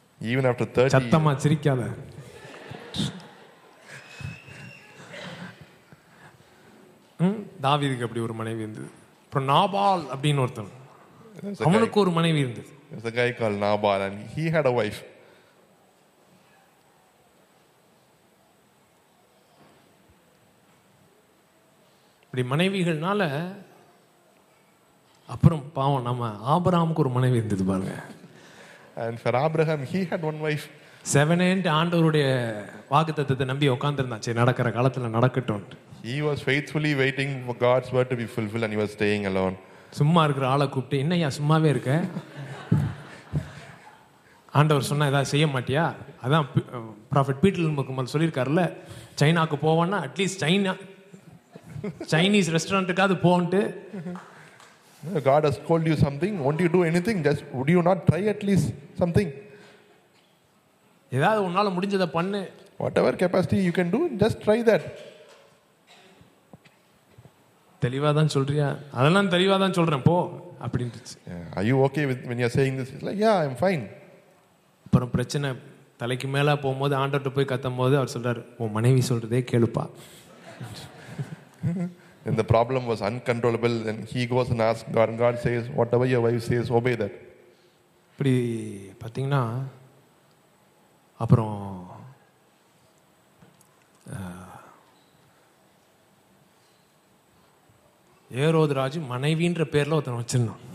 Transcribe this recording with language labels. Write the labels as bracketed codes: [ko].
[en] Even after 30 [ta] சத்தமா சிரிக்காத. தாவீதுக்கு அப்படி ஒரு மனைவி இருந்தது. அப்புறம் நாபால் அப்படின ஒருத்தன் அவனுக்கு ஒரு மனைவி இருந்தது. [en] There's a guy called Nabal and he had a wife. [ta] இப்படி மனைவிகள்னால அப்புறம் பாவம் நம்ம ஆபிரகாமுக்கு ஒரு மனைவி இருந்தது பாருங்க. [en] And for Abraham, he had one wife. Seven and [ta] ஆண்டவருடைய வாக்குத்தத்தத்தை நம்பி உட்கார்ந்திருந்தான். சரி நடக்கிற காலத்தில் நடக்கட்டும். [en] He was faithfully waiting for God's word to be fulfilled and he was staying alone. [ta] சும்மா இருக்கிற ஆளை கூப்பிட்டு என்னையா சும்மாவே இருக்க, ஆண்டவர் சொன்னால் ஏதாவது செய்ய மாட்டியா? அதான் profit Peter முகமல் சொல்லியிருக்காருல்ல, சைனாக்கு போவோம்னா at least Chinese ரெஸ்டாரண்ட்டுக்காவது போகன்ட்டு. [en] God has called you something, won't you do anything? Just would you not try at least something? [ta] ஏதாவது உன்னால முடிஞ்சத பண்ணு. [en] Whatever capacity you can do, just try that. [ta] தெளிவாதான் சொல்றியா? அதெல்லாம் தெளிவாதான் சொல்றேன் போ அப்படிந்துச்சு. [en] Are you okay with when you are saying this? It's like, yeah, I'm fine. [ta] அப்புறம் பிரச்சனை தலைக்கு மேல போகும்போது ஆண்டவர்ட்ட போய் கத்தும்போது அவர் சொல்றாரு, உன் மனைவி சொல்றதே கேளுப்பா. [en] And the problem was uncontrollable, then he goes and asks God, and God says, whatever your wife says, obey that. [ta] இப்படி பார்த்தீங்கன்னா அப்புறம் ஏரோது ராஜு மனைவின்ற பேர்ல ஒருத்தன்